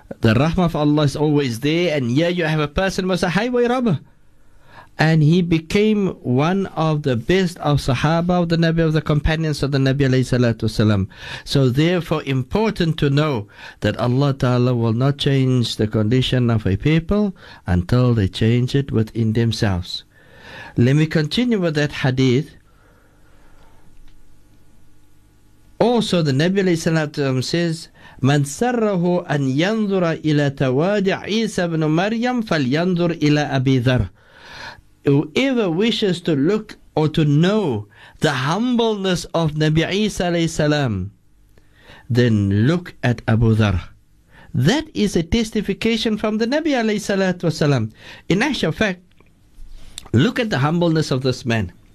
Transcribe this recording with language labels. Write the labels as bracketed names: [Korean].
[English] The rahmah of Allah is always there, and here you have a person who's a highway robber, and he became one of the best of Sahaba of the Nabi, of the companions of the Nabi alayhi salatu wasalam. So therefore, important to know that Allah Ta'ala will not change the condition of a people until they change it within themselves. Let me continue with that hadith. Also, the Nabi alayhi salatu wasalam says, [Arabic] من سره أن ينظر إلى توادع عيسى بن مريم فلينظر إلى أبي ذر. [English] Whoever wishes to look or to know the humbleness of Nabi Isa alayhi salam, then look at Abu Dharr. That is a testification from the Nabi alayhi salatu wasalam. In actual fact, look at the humbleness of this man.